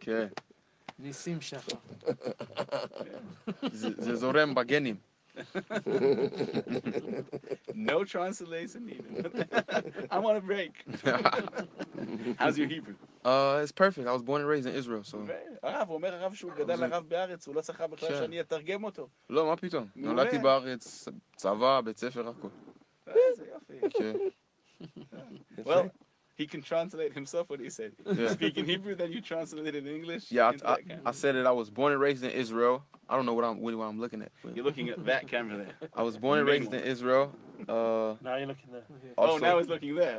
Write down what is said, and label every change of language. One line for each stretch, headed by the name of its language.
English: Okay. Nissim Shachar. Zorem Bagenim. No translation needed. I'm on a break. How's your Hebrew? It's perfect. I was born and raised in Israel, so.
Hebrew: Rav, אומר רב שהוא גדל רב בארץ, הוא לא צריך בכלל שאני אתרגם אותו. לא, מה פתאום? נולדתי בארץ, צבא, בית ספר, הכל.
English: Well, he can translate himself what he said. Yeah. Speak in Hebrew, then you translate it in English. Yeah, I said that I was born and raised in Israel. I don't know what I'm looking at. You're looking at that camera there. I was born and raised in Israel. Now you're looking there. Okay. Also, oh, now he's looking there.